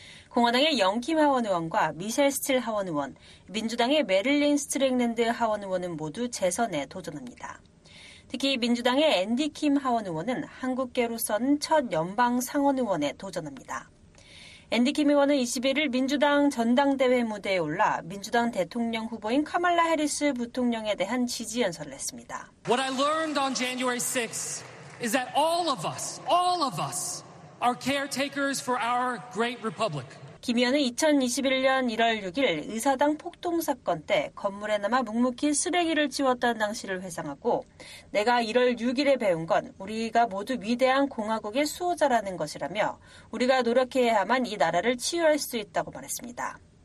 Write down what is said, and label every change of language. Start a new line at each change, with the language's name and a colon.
Korean: 공화당의 영킴 하원 의원과 미셸 스틸 하원 의원, 민주당의 메릴린 스트릭랜드 하원 의원은 모두 재선에 도전합니다. 특히 민주당의 앤디 킴 하원 의원은 한국계로서는 첫 연방 상원 의원에 도전합니다. 앤디 킴 의원은 21일 민주당 전당대회 무대에 올라 민주당 대통령 후보인 카말라 해리스 부통령에 대한 지지 연설을 했습니다.
English: What I learned on January 6th is that all of us are caretakers for our great republic.
Korean: 김 의원은 2021년 1월 6일 의사당 폭동 사건 때 건물에 남아 묵묵히 쓰레기를 치웠던 당시를 회상하고 내가 1월 6일에 배운 건 우리가 모두 위대한 공화국의 수호자라는 것이라며 우리가 노력해야만 이 나라를 치유할 수 있다고 말했습니다.